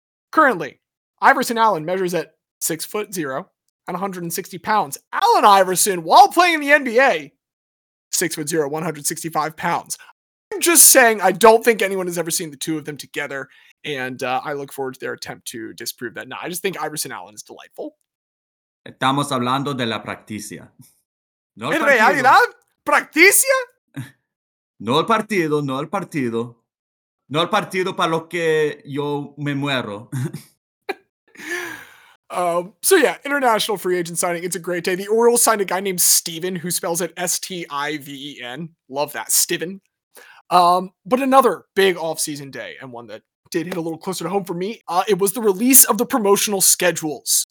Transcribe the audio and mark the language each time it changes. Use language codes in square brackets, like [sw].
[en] Currently, Iverson Allen measures at 6'0" and 160 pounds. Allen Iverson, while playing in the NBA, 6'0", 165 pounds. I'm just saying, I don't think anyone has ever seen the two of them together, and I look forward to their attempt to disprove that. No, I just think Iverson Allen is delightful. [es] Estamos hablando de la practicia. No, en realidad, practicia? No el partido, no el partido. No el partido para lo que yo me muero. [en] So yeah, international free agent signing. It's a great day. The Orioles signed a guy named Steven, who spells it S-T-I-V-E-N. Love that, Steven. But another big offseason day, and one that did hit a little closer to home for me, it was the release of the promotional schedules.